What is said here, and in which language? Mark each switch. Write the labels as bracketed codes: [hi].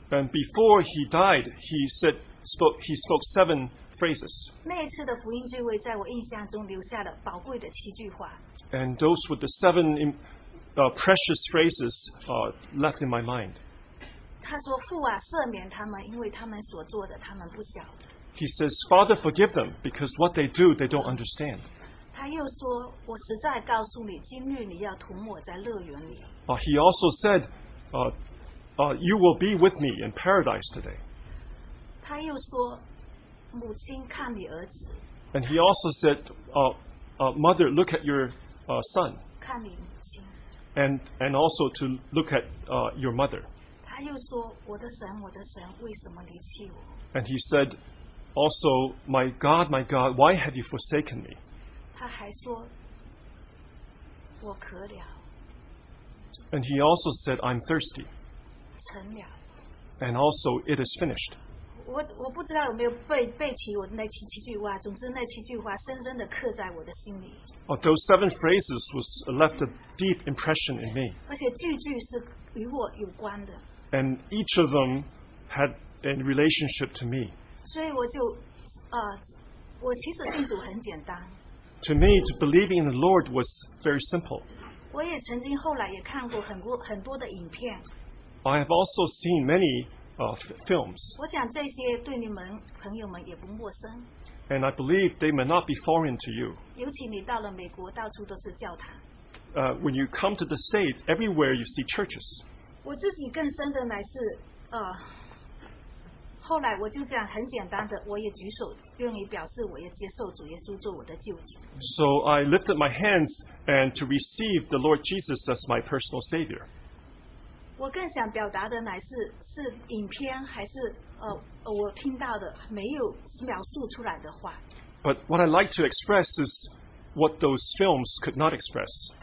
[en] And before he died, he spoke seven phrases. [zh] 那一次的福音聚会在我印象中留下了宝贵的七句话。 [en] And those were the seven precious phrases left in my mind. [zh] 他说父啊赦免他们，因为他们所做的他们不晓得。 [en] He says, Father, forgive them, because what they do, they don't understand. [zh] 他又说，我实在告诉你，今日你要同我在乐园里。 He [en] also said, you will be with me in paradise today. [zh] 他又说，母亲看你儿子。And [en] he also said, mother, look at your son. [zh] 看你母亲。 [en] And also to look at your mother. [zh] 他又说, 我的神, 为什么离弃我? [en] And he said, also, my God, why have you forsaken me? [zh] 他还说, [en] and he also said, I'm thirsty. [zh] 成了, [en] and also, it is finished. [zh] 我不知道有没有背起我那七句话，总之那七句话深深地刻在我的心里。 [en] Oh, those seven phrases was left a deep impression in me. [zh] 而且句句是与我有关的。 [en] And each of them had a relationship to me. [zh] 所以我其实信主很简单。 [en] To me, to believing in the Lord was very simple. [zh] 我也曾经后来也看过很多的影片。 [en] I have also seen many films. [zh] 我想这些对你们朋友们也不陌生。 [en] And I believe they may not be foreign to you. [zh] 尤其你到了美国, 到处都是教堂。 [en] When you come to the States, everywhere you see churches. [zh] 我自己更深的乃是, 后来我就这样很简单的, 我也举手, 愿意表示, 我也接受主耶稣做我的救主。 [en] So I lifted my hands and to receive the Lord Jesus as my personal Savior. [zh] 我更想表达的乃是影片还是我听到的没有描述出来的话。 [en] But what I'd like to express is what those films could not express.